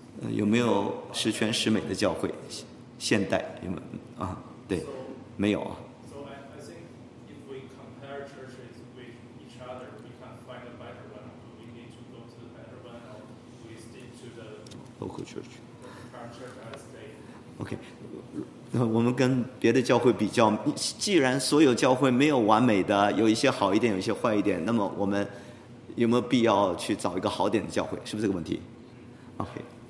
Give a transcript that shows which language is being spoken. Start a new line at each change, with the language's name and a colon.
Chinese: 有没有十全十美的教会？现代有没有啊？对，没有啊。
English: So I think if we compare churches with each other, we can find a better one. We need to go to the better one, or we stick to the local church. Okay,
Chinese: 我们跟别的教会比较，既然所有教会没有完美的，有一些好一点，有一些坏一点，那么我们有没有必要去找一个好点的教会？是不是这个问题 ？Okay.